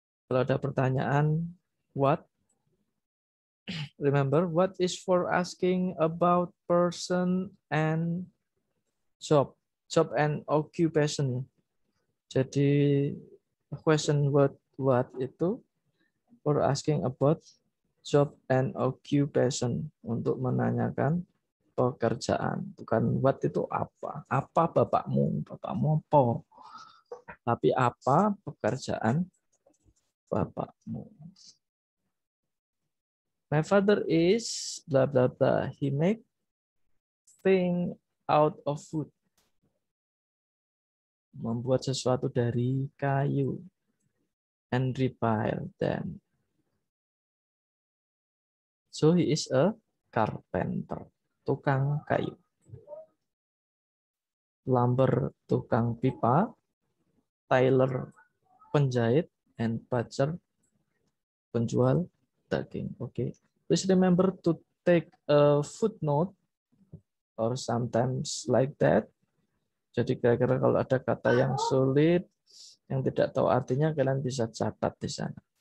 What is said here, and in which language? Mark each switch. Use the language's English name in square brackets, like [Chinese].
[Indonesian] Kalau ada pertanyaan, [English] what? Remember, what is for asking about person and job. Job and occupation. Jadi, question word what itu for asking about job and occupation. [Indonesian] Untuk menanyakan pekerjaan. Bukan what itu apa. Apa bapakmu? Bapakmu apa? Tapi apa pekerjaan bapakmu? [English] My father is blah blah blah. He make thing out of wood. [Indonesian] Membuat sesuatu dari kayu. [English] And repair them. So he is a carpenter. [Indonesian] Tukang kayu. Plumber, tukang pipa. Tailor, penjahit. [English] And butcher, [Indonesian] penjual daging. [English] Okay. Please remember to take a footnote or sometimes like that. [Indonesian] Jadi kira-kira kalau ada kata yang sulit, yang tidak tahu artinya, kalian bisa catat di sana.